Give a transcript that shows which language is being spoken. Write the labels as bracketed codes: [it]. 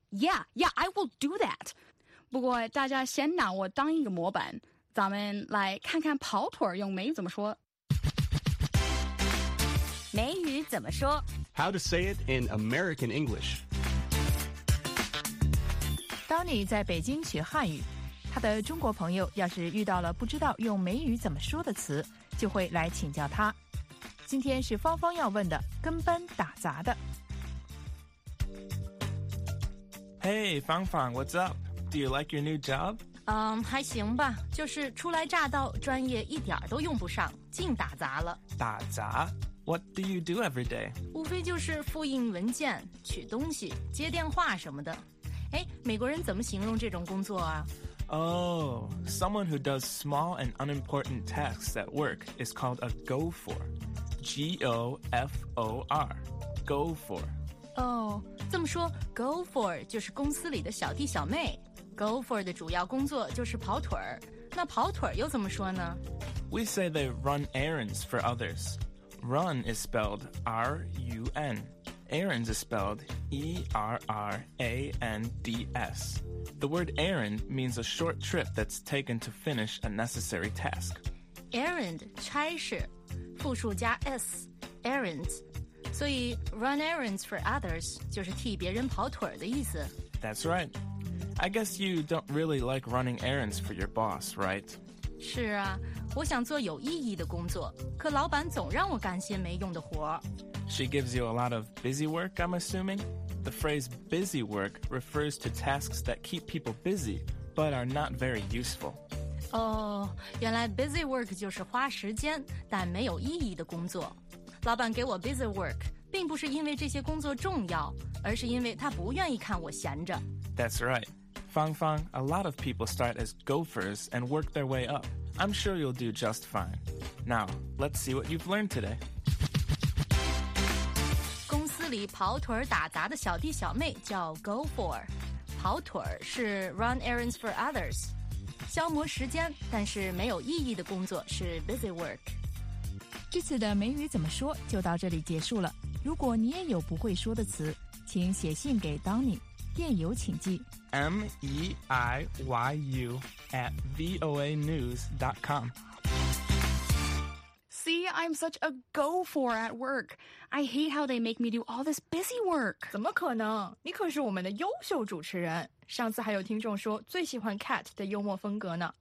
[en] Yeah, I will do that. [zh] 不过大家先拿我当一个模板，咱们来看看跑腿用美语怎么说。美语怎么说 [en] ？How to say it in American English？ [zh] 当你在北京学汉语，他的中国朋友要是遇到了不知道用美语怎么说的词，就会来请教他。今天是芳芳要问的，跟班打杂的。 [en] Hey， 芳芳 ，What's up？ Do you like your new job? [zh] 还行吧，就是初来乍到，专业一点都用不上，净打杂了。 [en] 打杂？What do you do every day? [zh] 无非就是复印文件、取东西、接电话什么的。哎，美国人怎么形容这种工作啊？ [en] Someone who does small and unimportant tasks at work is called a gopher. G-O-F-O-R. Gopher. [zh] 哦，这么说 ，gopher 就是公司里的小弟小妹。 Gopher 的主要工作就是跑腿儿。那跑腿儿又怎么说呢 [en] ？We say they run errands for others. Run is spelled R-U-N. Errands is spelled E-R-R-A-N-D-S. The word errand means a short trip that's taken to finish a necessary task. [zh] Errand 差事，复数加 s, errands. 所以 [en] run errands for others [zh] 就是替别人跑腿儿的意思。 [en] That's right. I guess you don't really like running errands for your boss, right? [zh] 是啊，我想做有意义的工作，可老板总让我干些没用的活。 [en] She gives you a lot of busy work, I'm assuming? The phrase busy work refers to tasks that keep people busy, but are not very useful. [zh] 哦，原来 busy work 就是花时间但没有意义的工作。老板给我 busy work 并不是因为这些工作重要，而是因为他不愿意看我闲着。 [en] That's right. Fang Fang, a lot of people start as gophers and work their way up. I'm sure you'll do just fine. Now, let's see what you've learned today. [zh] 公司里跑腿打杂的小弟小妹叫 gopher。跑腿是 [en] run errands for others。 [zh] 消磨时间但是没有意义的工作是 busy work。这次的美语怎么说就到这里结束了。如果你也有不会说的词请写信给 Donny, 电邮请寄。 [en] MEIYU@VOANews.com. See, I'm such a gopher at work. I hate how they make me do all this busy work. [zh] 怎么可能？你可是我们的优秀主持人。上次还有听众说最喜欢 Cat 的幽默风格呢。